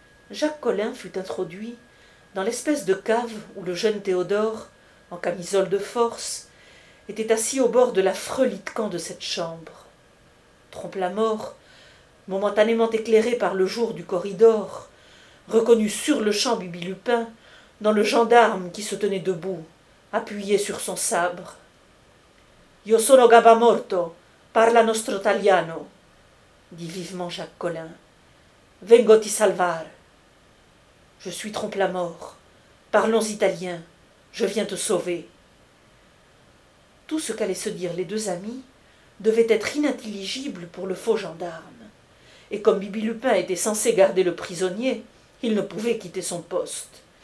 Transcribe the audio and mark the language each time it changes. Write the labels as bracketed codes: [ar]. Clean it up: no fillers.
[fr] Jacques Collin fut introduit dans l'espèce de cave où le jeune Théodore, en camisole de force, était assis au bord de l'affreux lit-de-camp de cette chambre. Trompe-la-Mort, momentanément éclairé par le jour du corridor, reconnu sur-le-champ Bibi Lupin, dans le gendarme qui se tenait debout, appuyé sur son sabre. [it] « Io sono Gabamorto, parla nostro italiano, » [fr] dit vivement Jacques Collin. « [it] Vengo ti salvar. [fr] »« Je suis Trompe-la-Mort, parlons italien, je viens te sauver. » Tout ce qu'allaient se dire les deux amis devait être inintelligible pour le faux gendarme. Et comme Bibi Lupin était censé garder le prisonnier, il ne pouvait quitter son poste.